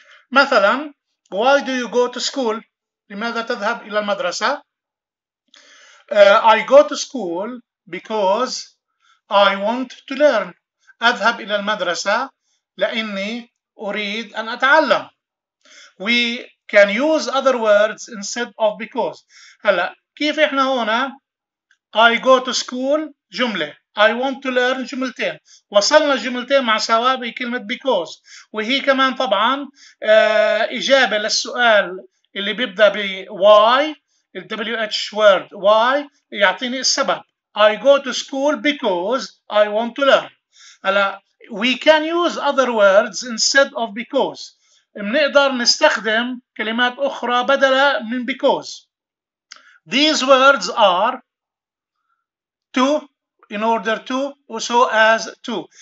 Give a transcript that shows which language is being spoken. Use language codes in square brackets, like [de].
[en] مثلا why do you go to school؟ [ar] لماذا تذهب إلى المدرسة؟ [en] I go to school because I want to learn. [ar] أذهب إلى المدرسة لأني أريد أن أتعلم. [en] We can use other words instead of because. [ar] هلأ كيف إحنا هنا [en] I go to school [ar] جملة، [en] I want to learn [ar] جملتين، وصلنا الجملتين مع سوا بكلمة because، وهي كمان طبعا إجابة للسؤال اللي بيبدأ ب why. ال WH word why يعطيني السبب. [en] I go to school because I want to learn. هلا we can use other words instead of because. [ar] بنقدر نستخدم كلمات أخرى بدلا من because. [en] These words are to in order to so as to.